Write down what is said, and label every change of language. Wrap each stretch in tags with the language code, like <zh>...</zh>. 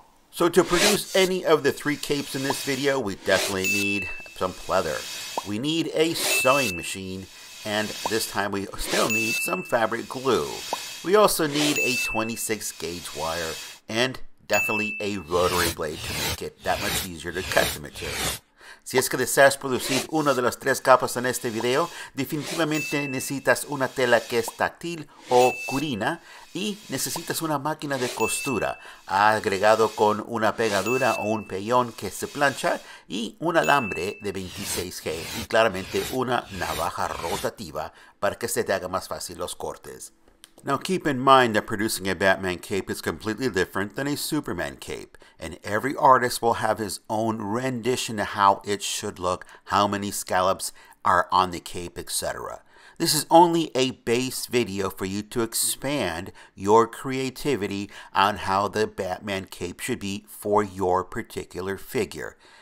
<en>So to produce any of the three capes in this video, we definitely need some pleather. We need a sewing machine, and this time we still need some fabric glue. We also need a 26 gauge wire, and definitely a rotary blade to make it that much easier to cut the material.</en> <es>Si es que deseas producir una de las tres capas en este video, definitivamente necesitas una tela que es táctil o curina, y necesitas una máquina de costura, agregado con una pegadura o un pellón que se plancha, y un alambre de 26G, y claramente una navaja rotativa para que se te haga más fácil los cortes.</es> <en>Now keep in mind that producing a Batman cape is completely different than a Superman cape, and every artist will have his own rendition of how it should look, how many scallops are on the cape, etc. This is only a base video for you to expand your creativity on how the Batman cape should be for your particular figure.</en>